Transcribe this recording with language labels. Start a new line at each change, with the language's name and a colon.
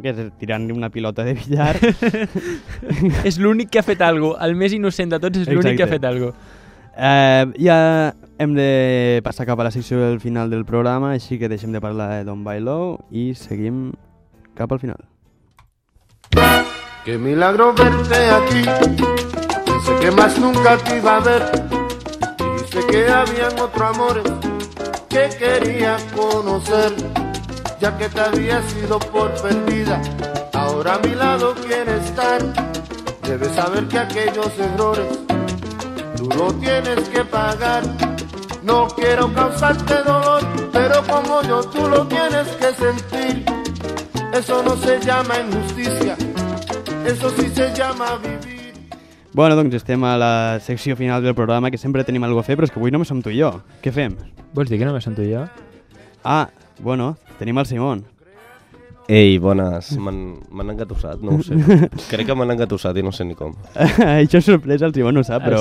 Catalan: Que és tirant-li una pilota de billar. És l'únic que ha fet algo, el més innocent de tots és l'únic que ha fet algo. Ja hem de passar cap a la secció del final del programa, així que deixem de parlar de Don't Buy Low i seguim cap al final.
Spanish: Qué milagro verte aquí, pensé que más nunca te iba a ver. Dice que habían otros amores que quería conocer. Ya que te había sido por perdida, ahora a mi lado quieres estar. Debes saber que aquellos errores tú lo tienes que pagar. No quiero causarte dolor, pero como yo tú lo tienes que sentir. Eso no se llama injusticia, eso sí se llama vivir.
Catalan: Bueno, doncs estem a la secció final del programa, que sempre tenim alguna cosa a fer, però és que avui només som tu i jo. Què fem? Vols dir que només som tu i jo? Ah, bueno, tenim el Simon. Ei, bones, m'han engatussat, no ho sé. Crec que m'han engatussat i no sé ni com. Això és sorpresa, el Simon no sap, però...